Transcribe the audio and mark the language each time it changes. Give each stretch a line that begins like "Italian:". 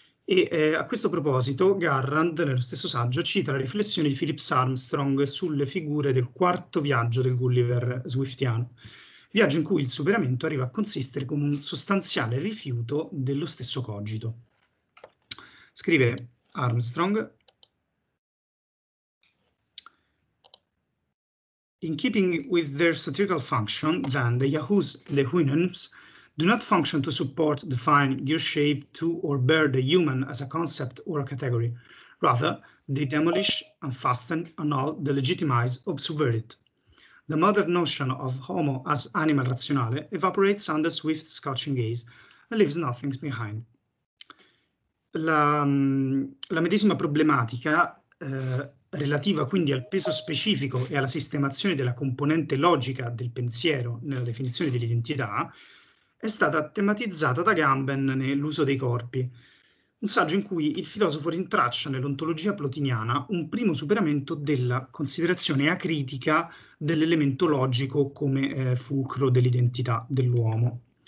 Italian: E a questo proposito, Garrand, nello stesso saggio, cita la riflessione di Philip Armstrong sulle figure del quarto viaggio del Gulliver swiftiano, viaggio in cui il superamento arriva a consistere con un sostanziale rifiuto dello stesso cogito. Scrive
English: Armstrong: "In keeping with their satirical function, then, the Yahoos and the Houyhnhnms do not function to support, define, give shape to, or bear the human as a concept or a category. Rather, they demolish, unfasten, annul, delegitimize, or subvert it. The modern notion of homo as animal rationale evaporates under Swift's scorching gaze and leaves nothing behind."
Italian: La medesima problematica, relativa quindi al peso specifico e alla sistemazione della componente logica del pensiero nella definizione dell'identità, è stata tematizzata da Gamben nell'Uso dei corpi, un saggio in cui il filosofo rintraccia nell'ontologia plotiniana un primo superamento della considerazione acritica dell'elemento logico come fulcro dell'identità dell'uomo.